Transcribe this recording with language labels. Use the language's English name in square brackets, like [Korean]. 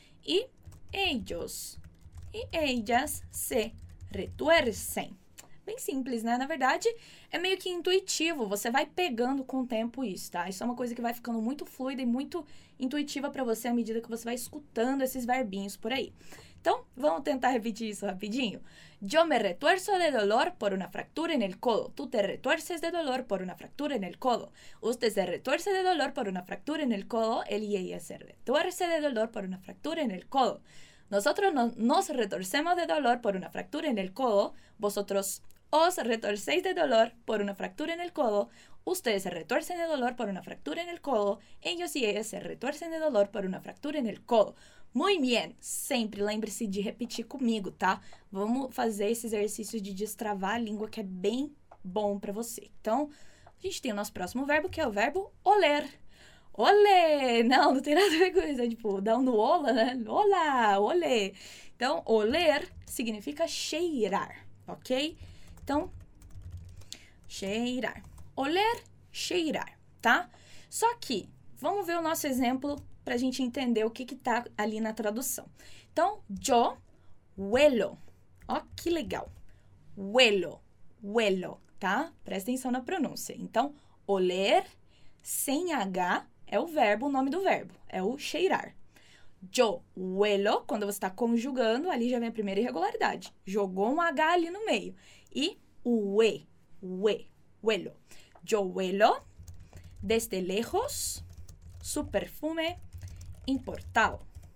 [Spanish] E ellos e ellas se retuercem. [Portuguese] Bem simples, né? Na verdade, é meio que intuitivo. Você vai pegando com o tempo isso, tá? Isso é uma coisa que vai ficando muito fluida e muito intuitiva pra você à medida que você vai escutando esses verbinhos por aí. Então, vamos tentar repetir isso rapidinho. [Spanish] Yo me retuerzo de dolor por una fractura en el codo. Tú te retuerces de dolor por una fractura en el codo. Usted se retuerce de dolor por una fractura en el codo. Él y ella se retuerce de dolor por una fractura en el codo. Nosotros nos retorcemos de dolor por una fractura en el codo. Vosotros os retorcéis de dolor por una fractura en el codo. Ustedes se retuercen de dolor por una fractura en el codo. Ellos y ellas se retuercen de dolor por una fractura en el codo. Muy bien! [Portuguese] Sempre lembre-se de repetir comigo, tá? Vamos fazer esse exercício de destravar a língua que é bem bom pra você. Então, a gente tem o nosso próximo verbo, que é o verbo oler. Olé! Não, não tem nada a ver com isso. É tipo, dá um no ola, né? Olá! Olé! Então, oler significa cheirar, ok? Então, cheirar. Oler, cheirar, tá? Só que, vamos ver o nosso exemplo pra gente entender o que que tá ali na tradução. Então, [Spanish] yo huelo. [Portuguese] Ó, que legal. Huelo, huelo, tá? Presta atenção na pronúncia. Então, oler, sem H, é o verbo, o nome do verbo. É o cheirar. [Spanish] Yo huelo, [Portuguese] quando você tá conjugando, ali já vem a primeira irregularidade. Jogou um H ali no meio. E o ue, ue, huelo. [Spanish] Yo huelo, desde lejos, su perfume, importado.